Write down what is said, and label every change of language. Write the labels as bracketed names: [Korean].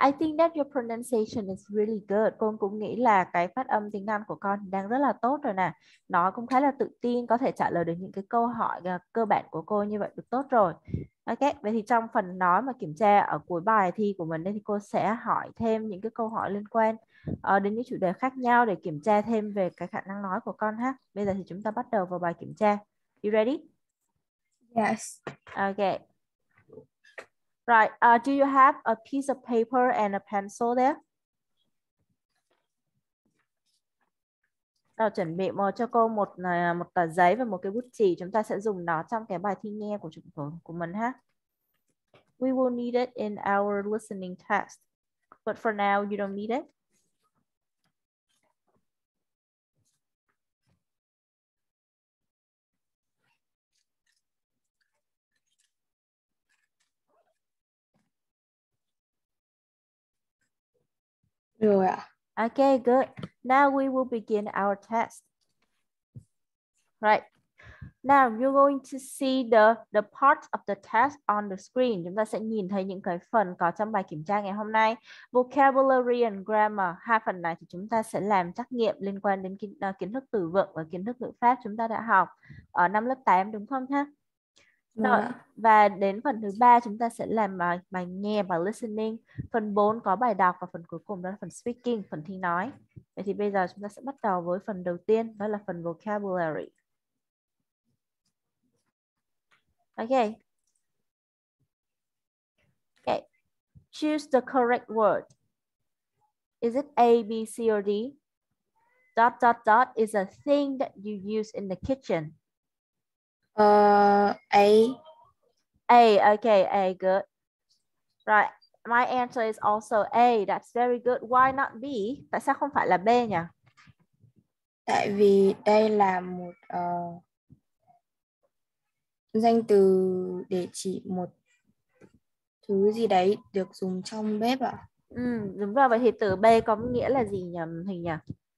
[English] I think that your pronunciation is really good. [Vietnamese] Con cũng nghĩ là cái phát âm tiếng Anh của con đang rất là tốt rồi nè. Nó cũng khá là tự tin, có thể trả lời được những cái câu hỏi cơ bản của cô như vậy được tốt rồi. Ok, vậy thì trong phần nói mà kiểm tra ở cuối bài thi của mình đây thì cô sẽ hỏi thêm những cái câu hỏi liên quan đến những chủ đề khác nhau để kiểm tra thêm về cái khả năng nói của con ha. Bây giờ thì chúng ta bắt đầu vào bài kiểm tra. [English] You Yes. ready? Ok. Right. Do you have a piece of paper and a pencil there? [Vietnamese] Tao chuẩn bị cho cô một tờ giấy và một cái bút chì. Chúng ta sẽ dùng nó trong cái bài thi nghe của chúng của mình ha. [English] We will need it in our listening test. But for now, you don't need it. Yeah. Okay, good. Now we will begin our test. Right. Now you're going to see the part of the test on the screen. [Vietnamese] Chúng ta sẽ nhìn thấy những cái phần có trong bài kiểm tra ngày hôm nay. [English] Vocabulary and grammar. [Vietnamese] Hai phần này thì chúng ta sẽ làm trắc nghiệm liên quan đến kiến thức từ vựng và kiến thức ngữ pháp chúng ta đã học ở năm lớp 8 đúng không ha? Rồi. Và đến phần thứ ba chúng ta sẽ làm bài nghe và listening. Phần 4 có bài đọc và phần cuối cùng đó là phần speaking, phần thi nói. Vậy thì bây giờ chúng ta sẽ bắt đầu với phần đầu tiên, đó là phần vocabulary. [English] Okay. Choose the correct word. Is it A, B, C or D? Dot, dot, dot is a thing that you use in the kitchen. A. A, okay, A, good. Right, my answer is also A, that's very good. Why not B? [Vietnamese] Tại sao không phải là B nhỉ? Tại vì đây là một danh từ để chỉ một thứ gì đấy được dùng trong bếp ạ. Ừ, đúng rồi, vậy thì từ B có nghĩa là gì nhỉ, hình nhỉ?